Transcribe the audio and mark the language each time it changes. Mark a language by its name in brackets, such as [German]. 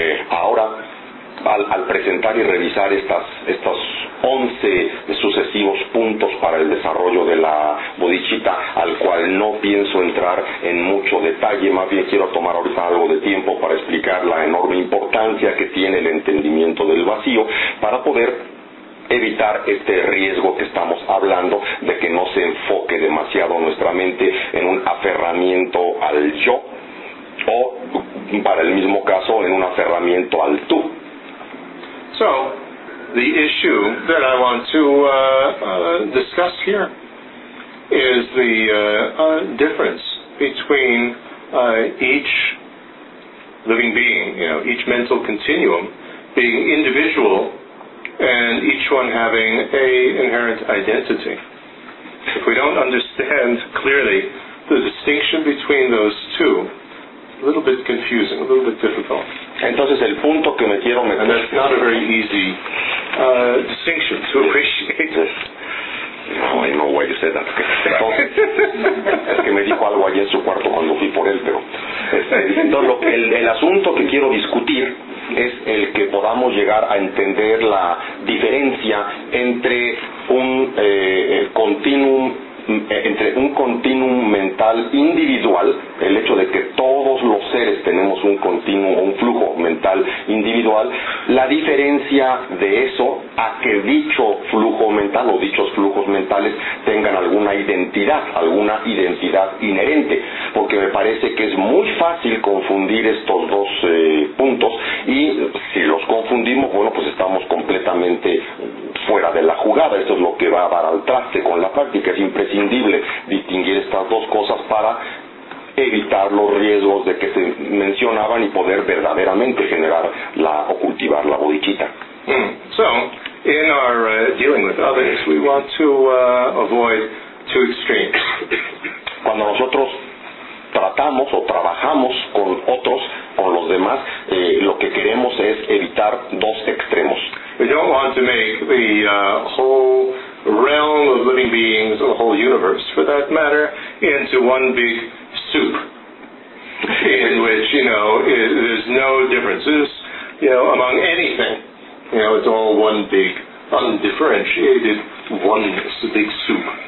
[Spanish] Ahora, al presentar y revisar estas 11 sucesivos puntos para el desarrollo de la bodhicitta, al cual no pienso entrar en mucho detalle, más bien quiero tomar ahorita algo de tiempo para explicar la enorme importancia que tiene el entendimiento del vacío para poder evitar este riesgo que estamos hablando de que no se enfoque demasiado nuestra mente en un aferramiento al yo, o para el mismo caso en un aferramiento al tú. [English] So, the issue that I want to discuss here is the difference between each living being, you know, each mental continuum being individual and each one having a inherent identity. If we don't understand clearly the distinction between those two, a little bit confusing, a little bit difficult. [Spanish] Entonces, el punto que me quiero meter... [English] And that's not a very easy distinction to appreciate. [Spanish] No, no voy a decir nada. Es que me dijo algo allí en su cuarto cuando fui por él, pero... Entonces, el asunto que quiero discutir es el que podamos llegar a entender la diferencia entre un continuum, entre un continuum mental individual, el hecho de que todos los seres tenemos un continuum, un flujo mental individual, la diferencia de eso a que dicho flujo mental o dichos flujos mentales tengan alguna identidad inherente, porque me parece que es muy fácil confundir estos dos puntos, y si los confundimos, bueno, pues estamos completamente fuera de la jugada. Esto es lo que va a dar al traste con la práctica. Es imprescindible distinguir estas dos cosas para evitar los riesgos de que se mencionaban y poder verdaderamente generar la o cultivar la bodichita. [English] So, in our dealing with others, we want to avoid two extremes. [Spanish] Cuando nosotros tratamos o trabajamos con otros, con los demás, lo que queremos es evitar dos extremos. [English] We don't want to make the whole realm of living beings, or the whole universe, for that matter, into one big soup, in which, you know, there's no differences, you know, among anything. You know, it's all one big, undifferentiated oneness, a big soup.